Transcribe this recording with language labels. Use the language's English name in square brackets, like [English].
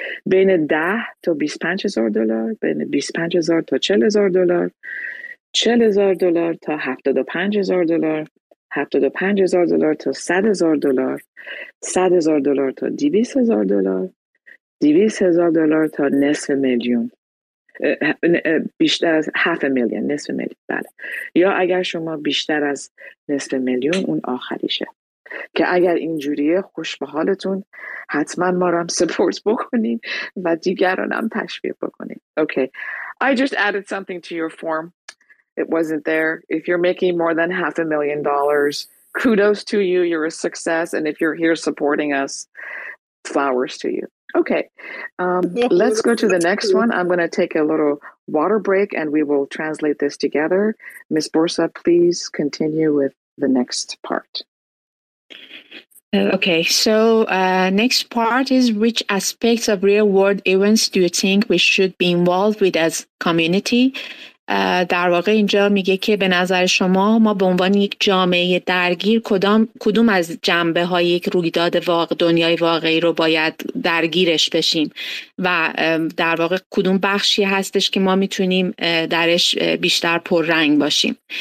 [Persian] بین [English] $10,000 to $25,000، بین $25,000 to $40,000، $40,000 to $75,000، $75,000 to $100,000، $100,000 to $200,000، [Persian] $200,000 to $500,000، بیشتر از $500,000، بله. یا اگر شما بیشتر از $500,000، اون آخریشه. که اگر اینجوریه خوش به حالتون، حتما ما رو هم سپورت بکنین و دیگران هم تشویق بکنین. [English] Okay. I just added something to your form. It wasn't there. If you're making more than $500,000, kudos to you. You're a success. And if you're here supporting us, flowers to you. Okay, let's go to the next one. I'm going to take a little water break and we will translate this together. Ms. Borsa, please continue with the next part. Okay, so next part is, which aspects of real world events do you think we should be involved with as community? [Persian] در واقع اینجا میگه که به نظر شما ما به عنوان یک جامعه درگیر کدوم از جنبه های یک رویداد واقع دنیای واقعی رو باید درگیرش بشیم و در واقع کدوم بخشی هستش که ما میتونیم درش بیشتر پررنگ باشیم.